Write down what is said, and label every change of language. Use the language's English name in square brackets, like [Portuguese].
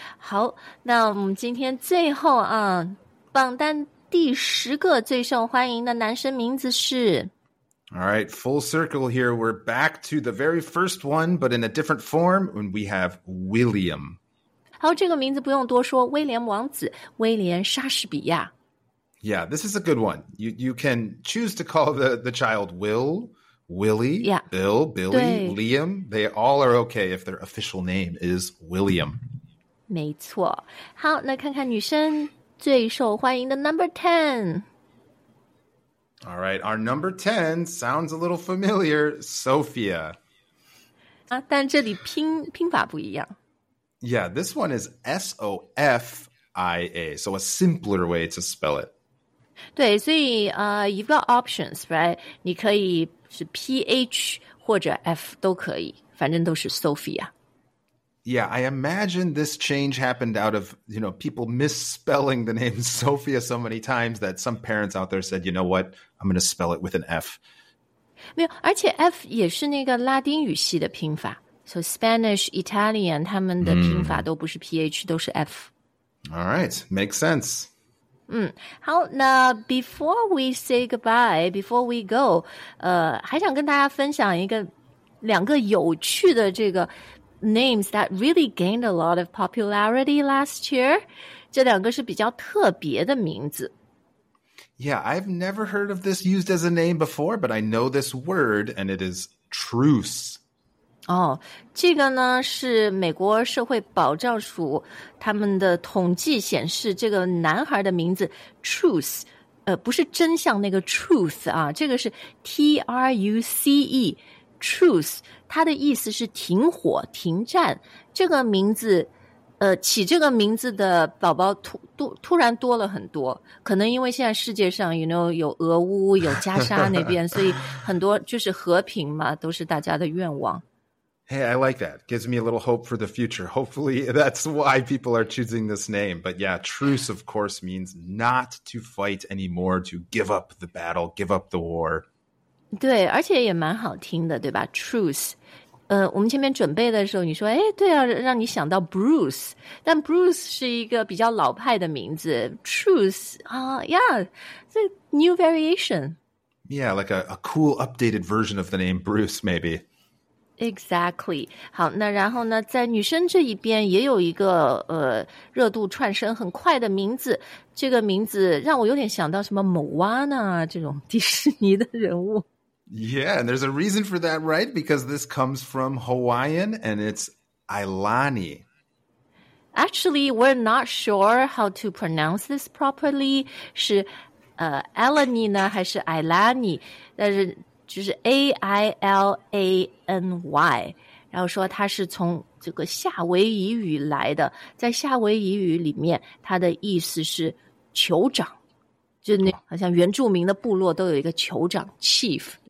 [Chinese] 好,那我们今天最后啊,榜单第十个最受欢迎的男生名字是 [English] All right, full circle here. We're back to the very first one, but in a different form, and we have William. [Chinese] 好，这个名字不用多说，威廉王子，威廉莎士比亚。 [English] Yeah, this is a good one. You can choose to call the child Will, Willie, yeah. Bill, Billy, Liam. They all are okay if their official name is William. [Chinese] 没错。好，那看看女生最受欢迎的 number 10。 [English] All right, our number 10 sounds a little familiar, Sophia. [Chinese] 啊，但这里拼法不一样。 [English] Yeah, this one is S-O-F-I-A, so a simpler way to spell it. [Chinese] 对，所以 [English] you've got options, right? [Chinese] 你可以是 P-H 或者 F 都可以，反正都是 Sophia。 [English] Yeah, I imagine this change happened out of, you know, people misspelling the name Sophia so many times that some parents out there said, you know what, I'm going to spell it with an F. [Chinese] 没有，而且 F 也是那个拉丁语系的拼法。 [English] So Spanish, Italian, [Chinese] 他们的拼法都不是 PH, 都是 F. [English] All right, makes sense. [Chinese] 好，那 [English] before we say goodbye, before we go, [Chinese] 还想跟大家分享一个两个有趣的这个 [English] names that really gained a lot of popularity last year. [Chinese] 这两个是比较特别的名字。 [English] Yeah, I've never heard of this used as a name before, but I know this word, and it is truce. [Chinese] 哦，这个呢，是美国社会保障署他们的统计显示，这个男孩的名字 truce, 不是真相那个 truth 啊，这个是 T-R-U-C-E,Truce, 它的意思是停火、停战。这个名字，起这个名字的宝宝突然多了很多。可能因为现在世界上 ，you know, 有俄乌、有加沙那边，所以很多就是和平嘛，都是大家的愿望。 [English] Hey, I like that. Gives me a little hope for the future. Hopefully, that's why people are choosing this name. But yeah, truce, of course, means not to fight anymore, to give up the battle, give up the war. [Chinese] 对，而且也蛮好听的，对吧 ？Truth， 我们前面准备的时候，你说，哎，对啊，让你想到 Bruce， 但 Bruce 是一个比较老派的名字 ，Truth 啊、， [English] Yeah， it's a new variation。 Yeah， like a cool updated version of the name Bruce， maybe。 Exactly。 [Chinese] 好，那然后呢，在女生这一边也有一个热度窜升很快的名字。这个名字让我有点想到什么 Moana 这种迪士尼的人物。 [English] Yeah, and there's a reason for that, right? Because this comes from Hawaiian, and it's Ailani. Actually, we're not sure how to pronounce this properly. [Chinese] 是Ailani 呢，还是 Ailani? 但是就是 A-I-L-A-N-Y, 然后说它是从这个夏威夷语来的，在夏威夷语里面它的意思是酋长，就那好像原住民的部落都有一个酋长 chief。